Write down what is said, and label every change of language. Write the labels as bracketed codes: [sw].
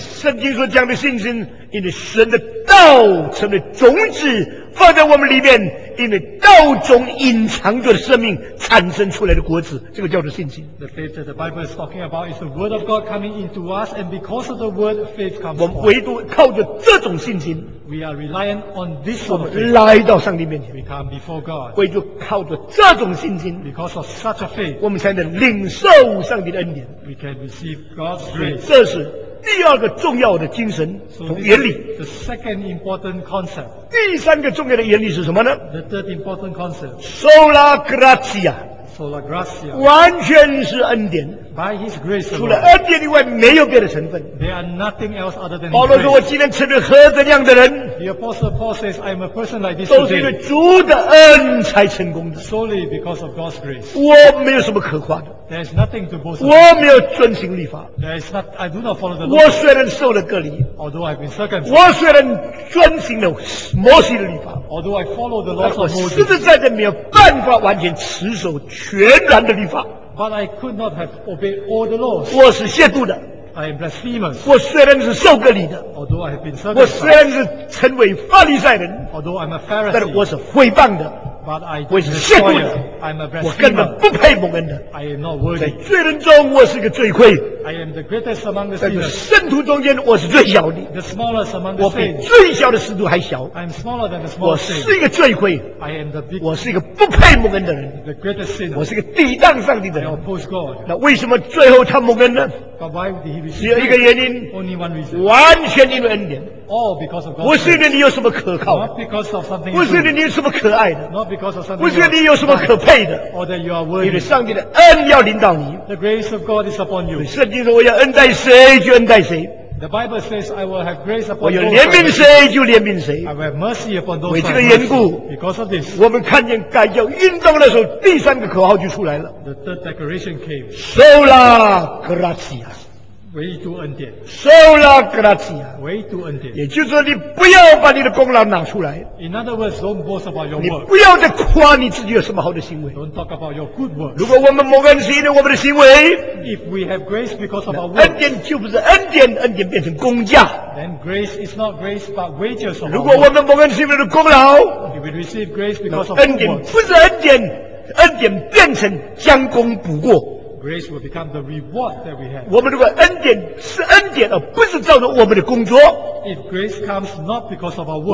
[zh] 圣经所讲的信心，因为神的道成了种子，放在我们里面，因为道中隐藏着的生命产生出来的果子，这个叫做信心。 [en] The faith that the Bible is talking about is the word of God coming into us, and because of the word, faith comes. [zh] 我们唯独靠着这种信心。 [en] We are reliant on this sort of faith. [zh] 我们来到上帝面前。 [en] We come before God. [zh] 唯独靠着这种信心。 [en] Because of such a faith, [zh] 我们才能领受上帝的恩典。 [en] We can receive God's grace. [zh] 这是第二个重要的精神和原理。 [en] The second important concept. [zh] 第三个重要的原理是什么呢？ [en] The third important concept. [la] Sola gratia. Sola gratia. [zh] 完全是恩典。 [en] By his grace. [zh] 除了恩典以外，没有别的成分。 [en] There are nothing else other than. [zh] 保罗说：“我今天成为何等样的人？” [en] The apostle Paul says, "I am a person like this today." [zh] 都是因为主的恩才成功的。 [en] Solely because of God's grace. [zh] 我没有什么可夸的。 [en] There is nothing to boast. [zh] 我没有遵行律法。 [en] There is not. I do not follow the law. [zh] 我虽然受了割礼。 [en] Although I've been circumcised. [zh] 我虽然遵行了摩西的律法。 [en] Although I follow the law of Moses. [zh] 但我实实在在没有办法完全持守全然的律法。 [en] But I could not have obeyed all the laws. [zh] 我是亵渎的。 [en] I am blasphemous. [zh] 我虽然是受割礼的。 [en] Although I have been circumcised. [zh] 我虽然是成为法利赛人。 [en] Although I'm a Pharisee. [zh] 但我是毁谤的。 [en] But I [zh] 我是亵渎的。 [en] I'm a blasphemer. [zh] 我根本不配蒙恩的。 [en] I am not worthy. [zh] 在罪人中我是个罪魁。 [en] I am the greatest among the sinners. [zh] 在圣徒中间我是最小的。 [en] The smallest among the saints. [zh] 我比最小的使徒还小。 [en] I am smaller than the smallest saint. [zh] 我是一个罪魁。 [en] I am the big. [zh] 我是一个不配蒙恩的人。 [en] The greatest sinner. [zh] 我是一个抵挡上帝的人。 [en] I oppose God. [zh] 那为什么最后他蒙恩呢？ [en] But why did he receive? [zh] 只有一个原因。 [en] Only one reason. [zh] 完全因为恩典。 [en] All because of God. [zh] 不是因为你有什么可靠。 [en] Not because of something. [zh] 不是因为你有什么可爱的。 [en] Not because of something. [zh] 不是因为你有什么可配的。 [en] Or that you are worthy. [zh] 因为上帝的恩要领导你。 [en] The grace of God is upon you. [zh] 圣经说我要恩待谁就恩待谁。 [en] The Bible says I will have grace upon. [zh] 我要怜悯谁就怜悯谁。 [en] I will have mercy upon those. [zh] 为这个缘故。 [en] Because of this. [zh] 我们看见改教运动的时候，第三个口号就出来了。 [en] The third declaration came. [la] Sola gratia. [zh] 唯独恩典 [la] ，sola gratia， [zh] 唯独恩典，也就是说，你不要把你的功劳拿出来。 [en] In other words, don't boast about your work. [zh] 你不要再夸你自己有什么好的行为。 [en] Don't talk about your good work. [zh] 如果我们蒙恩是因为我们的行为 [en] ，if we have grace because of our work， [zh] 恩典就不是恩典，恩典变成工价。 [en] Then grace is not grace but wages of our work. [zh] 如果我们蒙恩是因为功劳 [en] ，if we receive grace because of our work， [zh] 恩典不是恩典，恩典变成将功补过。 [en] Grace will become the reward that we have. [zh] 我们如果恩典是恩典，而不是照着我们的工作。 [en] If grace comes not because of our work,